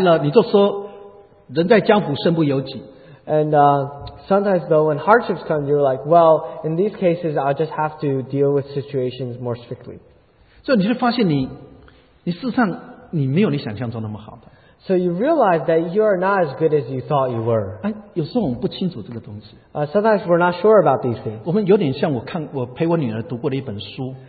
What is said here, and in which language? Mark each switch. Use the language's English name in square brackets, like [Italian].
[Chinese] 等到运动来了，什么不来了，你就说人在江湖身不由己。 [English] And sometimes though, when hardships come, you're like, well, in these cases, I'll just have to deal with situations more strictly. [Chinese] 所以你就发现你事实上你没有你想象中那么好的。 [English] So you realize that you are not as good as you thought you were. [Chinese] 有时候我们不清楚这个东西。 [English] Sometimes we're not sure about these things. [Chinese] 我们有点像我陪我女儿读过的一本书。